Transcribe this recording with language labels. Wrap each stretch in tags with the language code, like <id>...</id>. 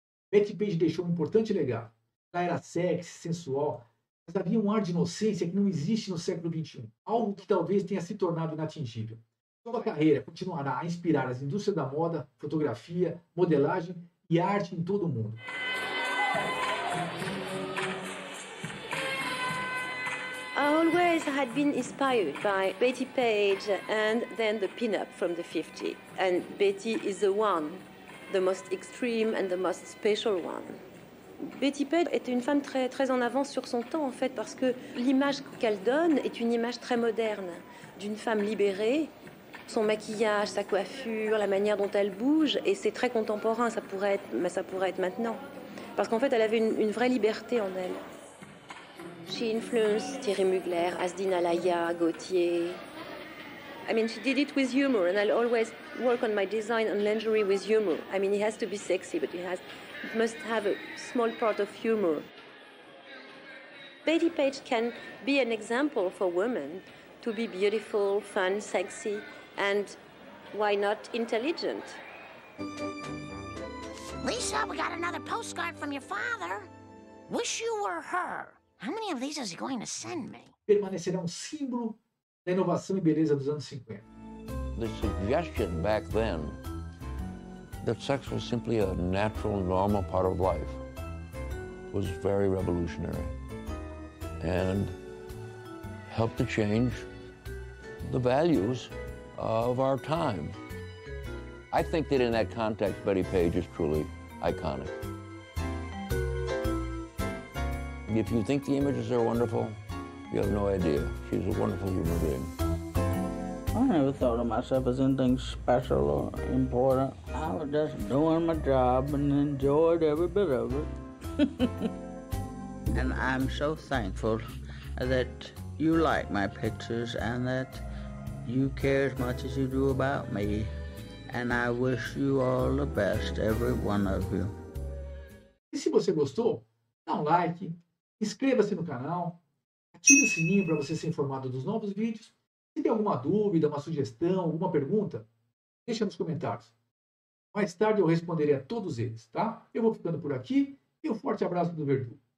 <pt>Betty Page deixou um importante legado. Ela era sexy, sensual, mas havia um ar de inocência que não existe no século XXI, algo que talvez tenha se tornado inatingível. Sua carreira continuará a inspirar as indústrias da moda, fotografia, modelagem e arte em todo o mundo.</pt> <en>I always had been inspired by Betty Page and then the pin-up from the 50s. And Betty is the one, the most extreme and the most special one.</en> <fr>Betty Page est une femme très, très en avance sur son temps, en fait, parce que l'image qu'elle donne est une image très moderne d'une femme libérée. Son maquillage, sa coiffure, la manière dont elle bouge, et c'est très contemporain, ça pourrait être maintenant. Parce qu'en fait, elle avait une vraie liberté en elle.</fr> <en>She influenced Thierry Mugler, Asdeen Alaya, Gautier. I mean, she did it with humor, and I'll always work on my design and lingerie with humor. I mean, it has to be sexy, but it must have a small part of humor. Betty Page can be an example for women to be beautiful, fun, sexy, and why not intelligent? Lisa, we got another postcard from your father. Wish you were her. How many of these is he going to send me?</en> <pt>Permanecerá um símbolo da inovação e beleza dos anos 50.</pt> <en>The suggestion back then that sex was simply a natural, normal part of life was very revolutionary and helped to change the values of our time. I think that in that context, Betty Page is truly iconic. If you think the images are wonderful, you have no idea. She's a wonderful human being. I never thought of myself as anything special or important. I was just doing my job and enjoyed every bit of it. And I'm so thankful that you like my pictures and that you care as much as you do about me. And I wish you all the best, every one of you.</en> <pt>E se você gostou, dá um like. Inscreva-se no canal, ative o sininho para você ser informado dos novos vídeos. Se tem alguma dúvida, uma sugestão, alguma pergunta, deixa nos comentários. Mais tarde eu responderei a todos eles, tá? Eu vou ficando por aqui e um forte abraço do Verdugo.</pt>